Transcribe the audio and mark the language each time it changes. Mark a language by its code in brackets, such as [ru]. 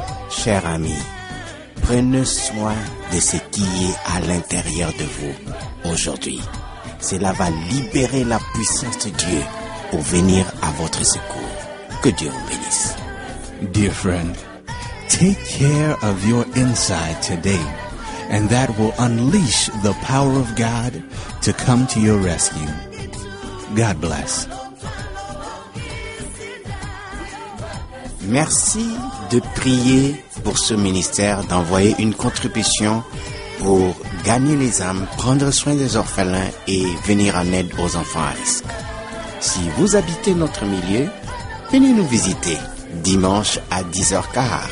[fr] Chers amis, prenez soin de ce qui est à l'intérieur de vous aujourd'hui. Cela va libérer la puissance de Dieu pour venir à votre secours. Que Dieu vous bénisse. [en] Dear friend, take care of your inside today, and that will unleash the power of God to come to your rescue. God bless. [fr] Merci de prier pour ce ministère, d'envoyer une contribution pour gagner les âmes, prendre soin des orphelins et venir en aide aux enfants à risque. Si vous habitez notre milieu, venez nous visiter dimanche à 10h15.